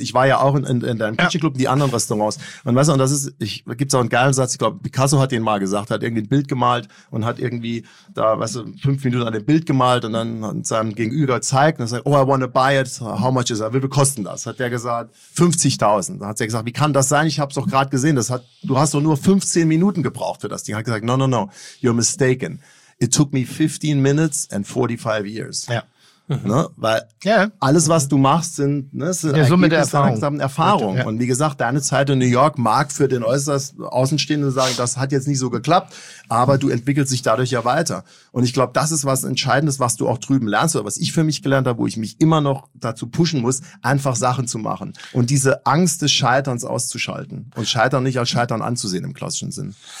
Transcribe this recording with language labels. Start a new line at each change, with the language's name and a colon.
German: Ich war ja auch in deinem Kitchen-Club und die anderen Restaurants. Und weißt du, gibt's auch einen geilen Satz, ich glaube, Picasso hat den mal gesagt, hat irgendwie ein Bild gemalt und hat irgendwie da, weißt du, 5 Minuten an dem Bild gemalt und dann seinem Gegenüber zeigt und sagt,
English: oh, I want to buy it, how much is that,
German: wie viel kosten das? Hat der gesagt, 50.000. Dann hat er gesagt, wie kann das sein? Ich habe es doch gerade gesehen, du hast doch nur 15 Minuten gebraucht für das Ding. Hat gesagt,
English: no, you're mistaken. It took me 15 minutes and 45 years.
German: Ja. Mhm. Ne? Weil alles, was du machst, sind Ergebnisse der Erfahrung. Und wie gesagt, deine Zeit in New York mag für den äußerst Außenstehenden sagen, das hat jetzt nicht so geklappt, aber du entwickelst dich dadurch ja weiter. Und ich glaube, das ist was Entscheidendes, was du auch drüben lernst oder was ich für mich gelernt habe, wo ich mich immer noch dazu pushen muss, einfach Sachen zu machen und diese Angst des Scheiterns auszuschalten und Scheitern nicht als Scheitern anzusehen im klassischen Sinn.